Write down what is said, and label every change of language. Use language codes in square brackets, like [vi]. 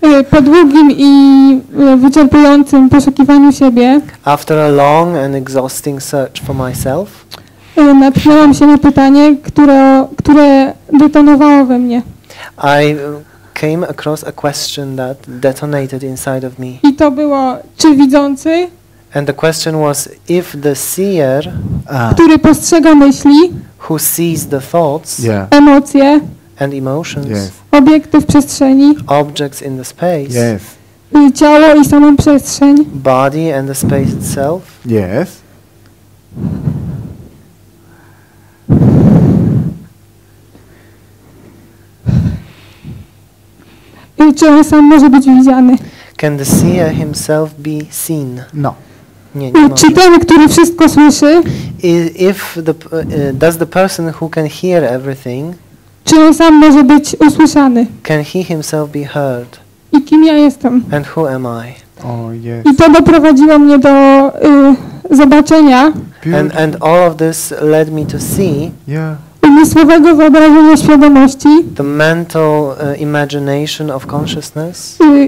[pl] Po długim i wyczerpującym poszukiwaniu siebie. [en] After a long and exhausting search for myself. [pl] Natknęłam się na pytanie, które detonowało we mnie. [en] I came across a question that detonated inside of me. [pl] I to było, czy widzący? [en] And the question was, if the seer, [pl] który postrzega myśli, [en] who sees the thoughts, yeah. [pl] emocje, [en] and emotions. Yes. [pl] Obiekty w przestrzeni. [en] Objects in the space. Yes. [pl] Ciało i samą przestrzeń. [en] Body and the space itself. Yes. [pl] I czy on sam może być widziany? [en] Can the seer himself be seen? No. [pl] Nie, nie. Czy ten, który wszystko słyszy? [en] If the does the person who can hear everything? [pl] Czy on sam może być usłyszany? [en] Can he himself be heard? [pl] I kim ja jestem? [en] And who am I? Oh, yes. [pl] I to doprowadziło mnie do zobaczenia. [en] And all of this led me to see. Yeah. [pl] Umysłowego wyobrażenia świadomości. [en] The mental imagination of consciousness.